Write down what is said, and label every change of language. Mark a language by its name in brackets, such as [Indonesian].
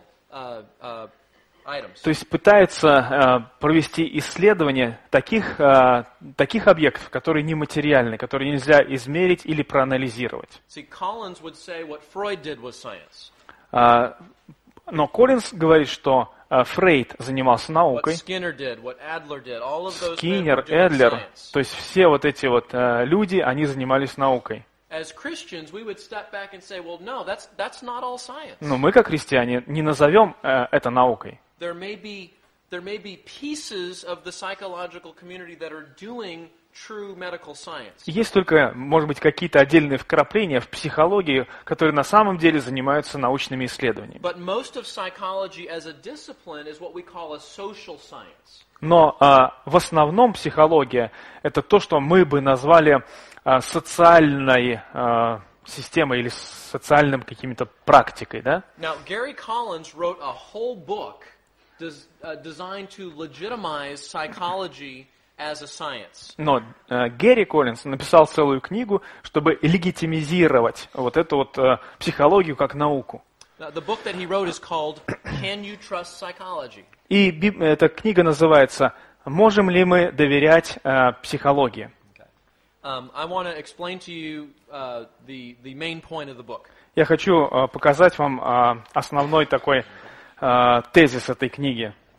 [Russian] То есть пытаются провести исследования таких объектов, которые нематериальны, которые нельзя измерить или проанализировать. [English] See, Collins would say what Freud did was science. [Russian] Но Коллинз говорит, что Фрейд занимался наукой. [English] Skinner did, what Adler did, all of those [Russian] Skinner, Adler, то есть все вот эти вот люди, они занимались наукой. [English] As Christians, we would step back and say, well, no, that's not all science. [Russian] Но мы, как христиане, не назовем это наукой. [English] There may be pieces of the psychological community that are doing true medical science. [Russian] Есть только, может быть, какие-то отдельные вкрапления в психологии, которые на самом деле занимаются научными исследованиями. [English] But most of psychology as a discipline is what we call a social science. [Russian] Но в основном психология – это то, что мы бы назвали социальной системой или социальным каким-то практикой, да? [English] Now, Gary Collins wrote a whole book designed to legitimize psychology as a science. [Russian] Но Гэри Коллинз написал целую книгу, чтобы легитимизировать вот эту вот психологию как науку. [English] The book that he wrote is called "Can You Trust Psychology?" [Russian] И эта книга называется «Можем ли мы доверять психологии?» [English] I want to explain to you the main point of the book. [Russian] Я хочу показать вам основной такой тезис этой книги.